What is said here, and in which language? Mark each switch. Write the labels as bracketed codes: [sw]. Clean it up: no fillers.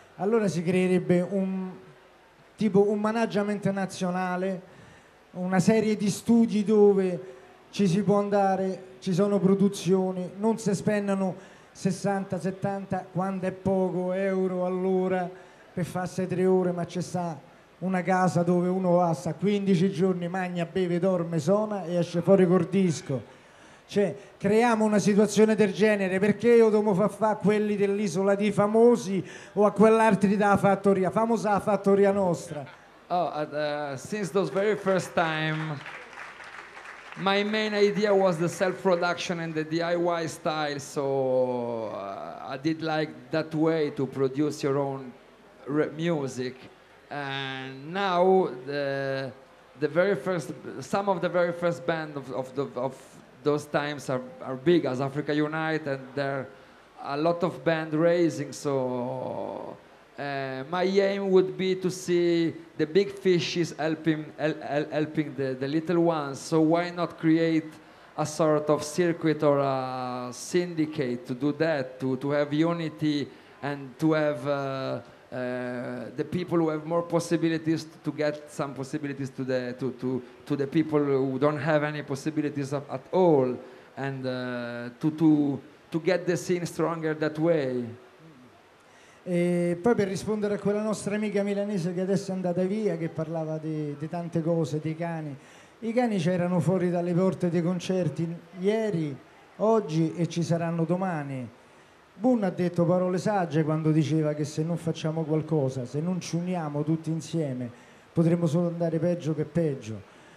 [it] Allora si creerebbe un tipo un management nazionale, una serie di studi dove ci si può andare, ci sono produzioni, non si spendono 60, 70, quando è poco, euro all'ora per farsi 3 ore, ma c'è sta una casa dove uno passa 15 giorni, magna, beve, dorme, sona e esce fuori col disco. Cioè, creiamo una situazione del genere, perché io devo far fa quelli dell'isola di famosi o a quell'altri da fattoria, famosa fattoria nostra. [en] Oh, since those very first time, my main idea was the self-production and the DIY style, so I did like that way to produce your own music. And now the very first, some of the very first band of those times are big as Africa Unite, and there are a lot of band raising. So my aim would be to see the big fishes helping the little ones. So why not create a sort of circuit or a syndicate to do that, to have unity and to have the people who have more possibilities to get some possibilities to the people who don't have any possibilities at all, and to get the scene stronger that way. [it] E poi per rispondere a quella nostra amica milanese che adesso è andata via, che parlava di tante cose, dei cani. I cani c'erano fuori dalle porte dei concerti ieri, oggi e ci saranno domani. Boon ha detto parole sagge quando diceva che se non facciamo qualcosa, se non ci uniamo tutti insieme, potremo solo andare peggio che peggio.